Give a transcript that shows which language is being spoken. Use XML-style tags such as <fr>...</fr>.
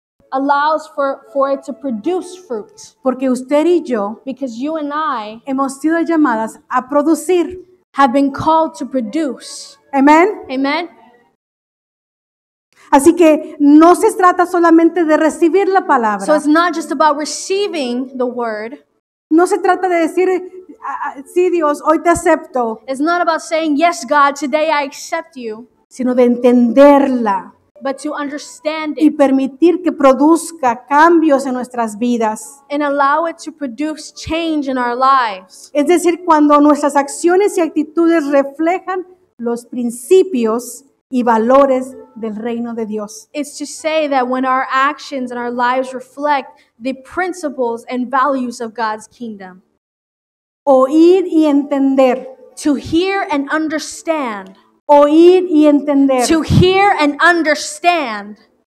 <en>Allows for it to produce fruit.</en> <es>Porque usted y yo.</es> <en>Because you and I.</en> <es>Hemos sido llamadas a producir.</es> <en>Have been called to produce.</en> <es>Amen.</es> <en>Amen.</en> <es>Así que no se trata solamente de recibir la palabra.</es> <en>So it's not just about receiving the word.</en> <es>No se trata de decir, sí, Dios, hoy te acepto.</es> <en>It's not about saying, yes, God, today I accept you.</en> <es>Sino de entenderla.</es> <en>But to understand it.</en> <es>Y permitir que produzca cambios en nuestras vidas.</es> <en>And allow it to produce change in our lives.</en> <es>Es decir, cuando nuestras acciones y actitudes reflejan los principios y valores del reino de Dios.</es> <en>It's to say that when our actions and our lives reflect the principles and values of God's kingdom.</en> <es>Oír y entender.</es> <en>To hear and understand.</en> <es>Oír y entender.</es> <en>To hear and understand.</en>